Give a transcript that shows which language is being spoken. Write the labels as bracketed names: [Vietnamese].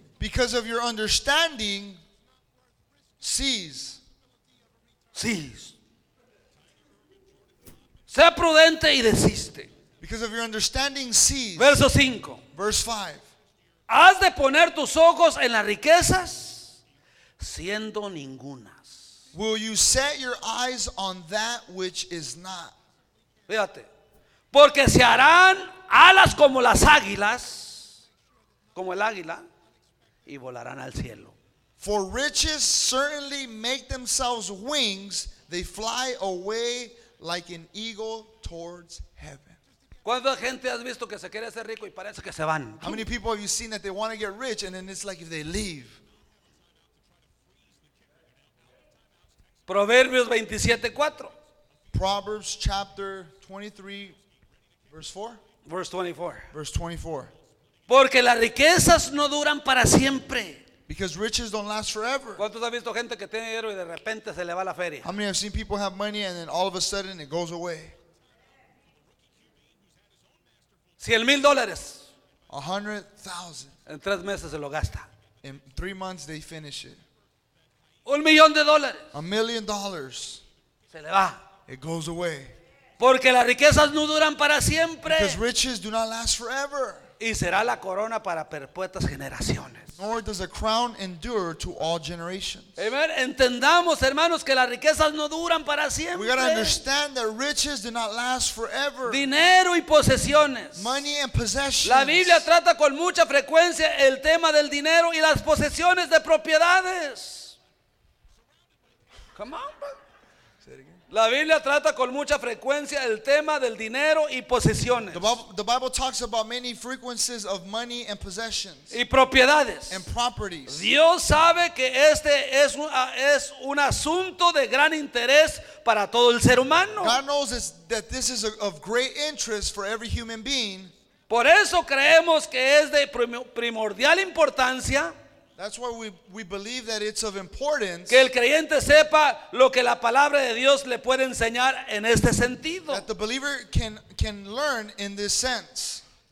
[English] Because of your understanding, cease. Cease. [Spanish] Sé prudente y desiste. [English] Because of your understanding, cease. [Spanish] Verso 5. [English] Verse 5. [Spanish] Has de poner tus ojos en las riquezas, siendo ningunas. [English] Will you set your eyes on that which is not? [Spanish] Fíjate, porque se harán alas como las águilas, como el águila, y volarán al cielo. [English] For riches certainly make themselves wings, they fly away like an eagle towards heaven. [Spanish] ¿Cuánta gente has visto que se quiere hacer rico y parece que se van? [English] How many people have you seen that they want to get rich and then it's like if they leave? [Spanish] Proverbios 27:4. [English] Proverbs chapter 23, verse 4. Verse 24. Verse 24. [Spanish] Porque las riquezas no duran para siempre. [English] Because riches don't last forever. [Spanish] ¿Cuántos han visto gente que tiene dinero y de repente se le va la feria? [English] How many have seen people have money and then all of a sudden it goes away? [Spanish] $100,000. [English] $100,000. [Spanish] En tres meses se lo gasta. [English] In 3 months they finish it. [Spanish] $1,000,000. [English] $1,000,000. [Spanish] Se le va. [English] It goes away. [Spanish] Porque las riquezas no duran para siempre. [English] Because riches do not last forever. [Spanish] Y será la corona para perpetuas generaciones. [English] Nor does a crown endure to all generations. Amen. [Spanish] Entendamos, hermanos, que las riquezas no duran para siempre. [English] We got to understand that riches do not last forever. [Spanish] Dinero y posesiones. [English] Money and possessions. [Spanish] La Biblia trata con mucha frecuencia el tema del dinero y las posesiones de propiedades. [English] Come on, bro. [Spanish] La Biblia trata con mucha frecuencia el tema del dinero y posesiones. [English] The Bible talks about many frequencies of money and possessions. [Spanish] Y propiedades. [English] And properties. [Spanish] Dios sabe que este es un asunto de gran interés para todo el ser humano. [English] God knows that this is of great interest for every human being. [Spanish] Por eso creemos que es de primordial importancia. [English] That's why we believe that it's of importance. [Spanish] Que el creyente sepa lo que la palabra de Dios le puede enseñar en este sentido. [English] That the believer can learn in this sense.